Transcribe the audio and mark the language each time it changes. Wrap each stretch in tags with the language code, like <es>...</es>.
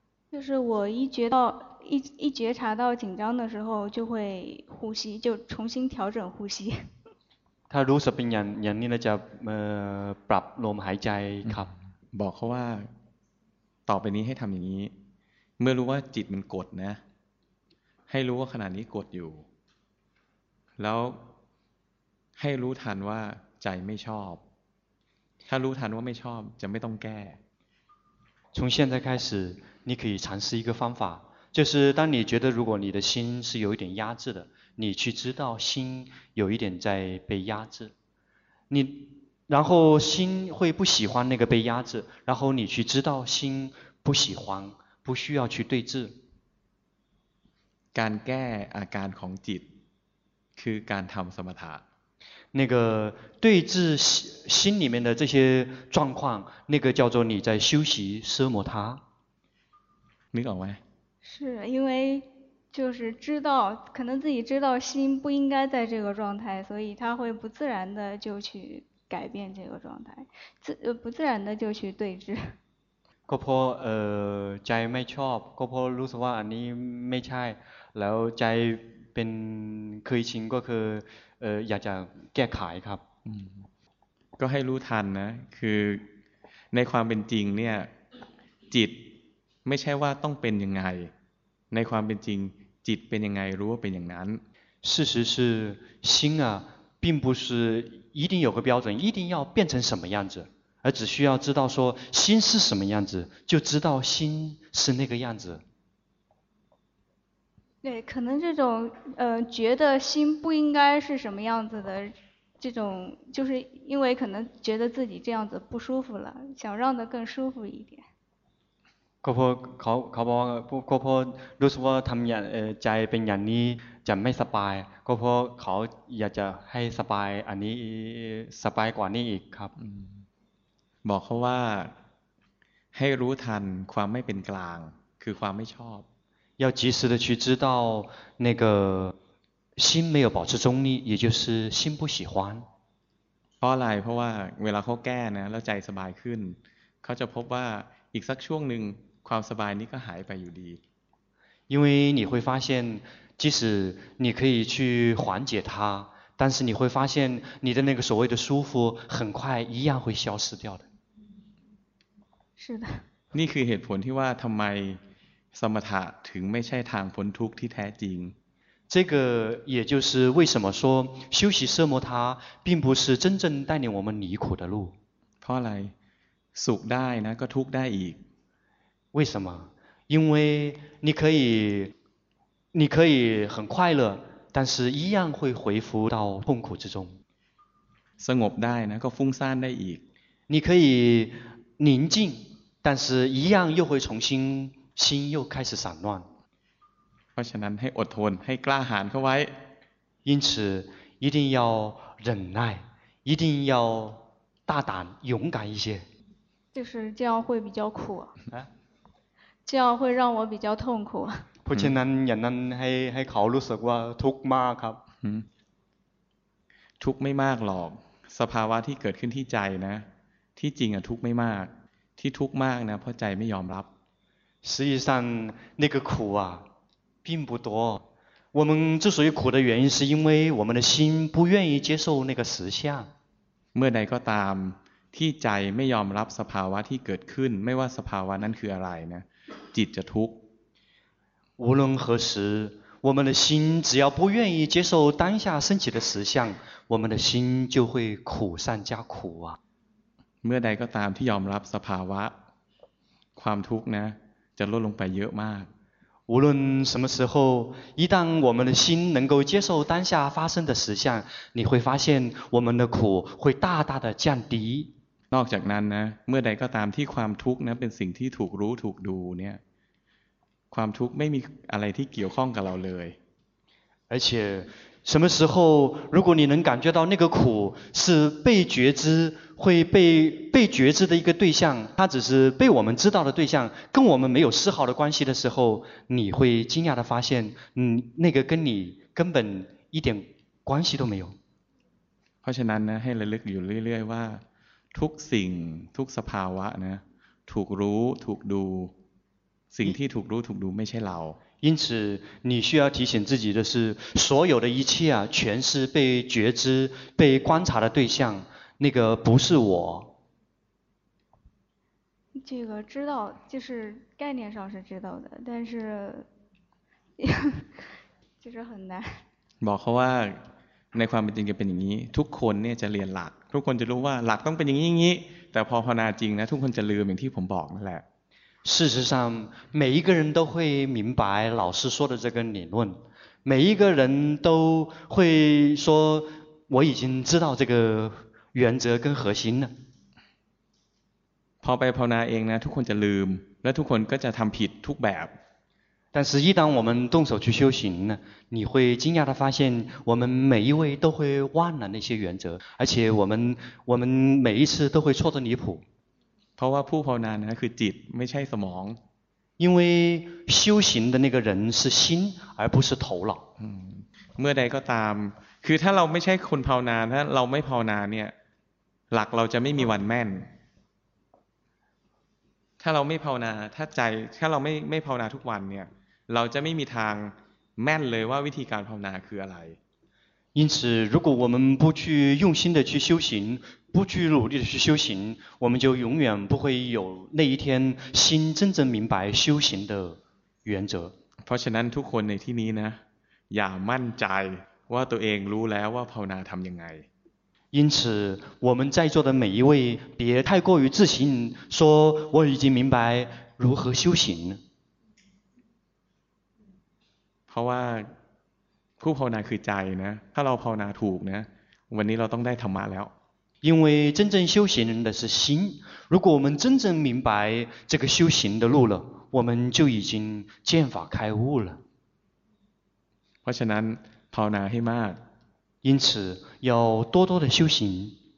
<zh>就是我一觉察到紧张的时候就会呼吸就重新调整呼吸</zh> <th>ถ้ารู้สึกเป็นอย่างนี้นะจะปรับลมหายใจครับ บอกเขาว่าต่อไปนี้ให้ทำอย่างนี้เมื่อรู้ว่าจิตมันกดนะให้รู้ว่าขณะนี้กดอยู่แล้วให้รู้ทันว่าใจไม่ชอบถ้ารู้ทันว่าไม่ชอบจะไม่ต้องแก้</th> <zh>从现在开始你可以尝试一个方法，就是当你觉得如果你的心是有一点压制的，你去知道心有一点在被压制，你然后心会不喜欢那个被压制，然后你去知道心不喜欢，不需要去对治。</zh> <th>การแก้อาการของจิตคือการทำสมถะ。</th> <zh>那个对治心里面的这些状况，那个叫做你在修习奢摩他。你搞歪，是因为就是知道，可能自己知道心不应该在这个状态，所以他会不自然的就去改变这个状态，不自然的就去对治。</zh> <th>ก็เพราะใจไม่ชอบก็เพราะรู้สึกว่าอันนี้ไม่ใช่แล้วใจเป็นเคยชินก็คืออยากจะแก้ไขครับ ก็ให้รู้ทันนะคือในความเป็นจริงเนี่ยจิตไม่ใช่ว่าต้องเป็นยังไงในความเป็นจริงจิตเป็นยังไงรู้ว่าเป็นอย่างนั้น</th> <zh>事实是心啊并不是一定有个标准一定要变成什么样子而只需要知道说心是什么样子就知道心是那个样子对可能这种觉得心不应该是什么样子的这种就是因为可能觉得自己这样子不舒服了想让得更舒服一点</zh> <th>ก็เพราะเขาบอกก็เพราะรู้สึกว่าทำอย่างใจเป็นอย่างนี้จะไม่สบายก็เพราะเขาอยากจะให้สบายอันนี้สบายกว่านี้อีกครับ บอกเขาว่าให้รู้ทันความไม่เป็นกลางคือความไม่ชอบ</th> <zh>要及时的去知道那个心没有保持中立也就是心不喜欢</zh> <th>เพราะอะไรเพราะว่าเวลาเขาแก้นะแล้วใจสบายขึ้นเขาจะพบว่าอีกสักช่วงหนึ่งความสบายนี้ก็หายไปอยู่ดี</th> <zh>因为你会发现即使你可以去缓解它，但是你会发现你的那个所谓的舒服很快一样会消失掉的。是的。</zh> <th>นี่คือเหตุผลที่ว่าทำไมสมถะถึงไม่ใช่ทางพ้นทุกข์ที่แท้จริง</th> <zh>这个也就是为什么说修习奢摩他并不是真正带领我们离苦的路。</zh> <th>เพราะอะไรสุขได้นะก็ทุกข์ได้อีก</th> <zh>为什么因为你可以很快乐但是一样会回复到痛苦之中</zh> <th>สงบได้นะก็ฟุ้งซ่านได้อีก</th> <zh>你可以宁静但是一样又会重新心又开始散乱</zh> <th>เพราะฉะนั้นให้อดทนให้กล้าหาญเข้าไว้</th> <zh>因此一定要忍耐一定要大胆勇敢一些就是这样会比较苦这样会让我比较痛苦</zh> <th>เพราะฉะนั้นอย่างนั้นให้เขารู้สึกว่าทุกข์มากครับ ทุกข์ไม่มากหรอกสภาวะที่เกิดขึ้นที่ใจนะที่จริงอะทุกข์ไม่มากที่ทุกข์มากนะเพราะใจไม่ยอมรับ</th> <zh>实际上那个苦啊并不多我们之所以苦的原因是因为我们的心不愿意接受那个实相</zh> <th>เมื่อใดก็ตามที่ใจไม่ยอมรับสภาวะที่เกิดขึ้นไม่ว่าสภาวะนั้นคืออะไรนะจิตจะทุกข์</th> <zh>无论何时我们的心只要不愿意接受当下升起的实相我们的心就会苦上加苦啊</zh> <th>เมื่อใดก็ตามที่ยอมรับสภาวะความทุกข์นะจะลดลงไปเยอะมาก</th> <zh>无论什么时候一旦我们的心能够接受当下发生的实相你会发现我们的苦会大大的降低</zh> <th>นอกจากนั้นนะเมื่อใดก็ตามที่ความทุกข์นะเป็นสิ่งที่ถูกรู้ถูกดูเนี่ยความทุกข์ไม่มีอะไรที่เกี่ยวข้องกับเราเลย</th> <zh>而且什么时候如果你能感觉到那个苦是被觉知会被觉知的一个对象它只是被我们知道的对象跟我们没有丝毫的关系的时候你会惊讶地发现那个跟你根本一点关系都没有</zh> <th>เพราะฉะนั้นนะให้ระลึกอยู่เรื่อยๆว่าทุกสิ่งทุกสภาวะนะถูกรู้ถูกดูสิ่งที่ถูกรู้ถูกดูไม่ใช่เรา</th> <zh>因此你需要提醒自己的是所有的一切啊全是被觉知被观察的对象那个不是我这个知道就是概念上是知道的但是就是很难</zh> <th>บอกเขาว่าในความเป็นจริงจะเป็นอย่างนี้ทุกคนเนี่ยจะเรียนหลักทุกคนจะรู้ว่าหลักต้องเป็นอย่างนี้อย่างนี้แต่พอภาวนาจริงนะทุกคนจะลืมอย่างที่ผมบอกนั่นแหละ</th> <zh>事实上每一个人都会明白老师说的这个理论每一个人都会说我已经知道这个原则跟核心了</zh> <th>พอไปภาวนาเองนะทุกคนจะลืมและทุกคนก็จะทำผิดทุกแบบ</th> <zh>但是一旦我们动手去修行呢你会惊讶地发现我们每一位都会忘了那些原则而且我们每一次都会错得离谱</zh> <th>เพราะว่าผู้ภาวนานะคือจิตไม่ใช่สมอง</th> <zh>因为修行的那个人是心而不是头脑</zh> <th>เมื่อใดก็ตามคือถ้าเราไม่ใช่คนภาวนาถ้าเราไม่ภาวนาเนี่ยหลักเราจะไม่มีวันแม่นถ้าเราไม่ภาวนาถ้าใจถ้าเราไม่ภาวนาทุกวันเนี่ยเราจะไม่มีทางแม่นเลยว่าวิธีการภาวนาคืออะไร</th> <zh>因此如果我们不去用心的去修行不去努力的去修行我们就永远不会有那一天心真正明白修行的原则</zh> <th>เพราะฉะนั้นทุกคนในที่นี้นะอย่ามั่นใจว่าตัวเองรู้แล้วว่าภาวนาทำยังไง</th> <zh>因此我们在座的每一位别太过于自信说我已经明白如何修行</zh> <th>เพราะว่าผู้ภาวนาคือใจนะถ้าเราภาวนาถูกนะวันนี้เราต้องได้ธรรมะแล้ว</th> <zh>因为真正修行人的是心如果我们真正明白这个修行的路了我们就已经见法开悟了</zh> <th>เพราะฉะนั้นภาวนาให้มาก</th> <zh>因此要多多的修行</zh>